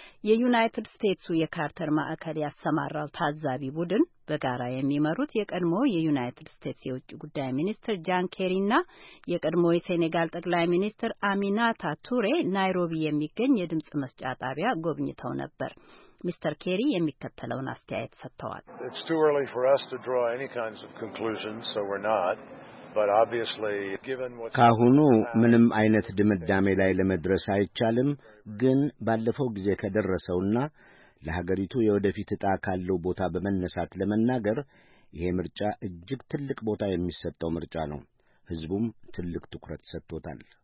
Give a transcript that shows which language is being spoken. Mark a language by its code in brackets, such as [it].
[am] የዩናይትድ ስቴትሱ የካርተር ማዕከል ያሰማራው ታዛቢ ቡድን በጋራ የሚመሩት የቀድሞ የዩናይትድ ስቴትስ የውጭ ጉዳይ ሚኒስትር ጃን ኬሪና የቀድሞ የሴኔጋል ጠቅላይ ሚኒስትር አሚናታ ቱሬ ናይሮቢ የሚገኝ የድምጽ መስጫ ጣቢያ ጎብኝተው ነበር። ሚስተር ኬሪ የሚከተለውን አስተያየት ሰጥተዋል። [en] It's too early for us to draw any kinds of conclusions, so we're not. But obviously, given what's [am] ካሁኑ ምንም አይነት ድምዳሜ ላይ ለመድረስ አይቻልም፣ ግን ባለፈው ጊዜ ከደረሰውና ለሀገሪቱ የወደፊት ዕጣ ካለው ቦታ በመነሳት ለመናገር ይሄ ምርጫ እጅግ ትልቅ ቦታ የሚሰጠው ምርጫ ነው። ህዝቡም ትልቅ ትኩረት ሰጥቶታል።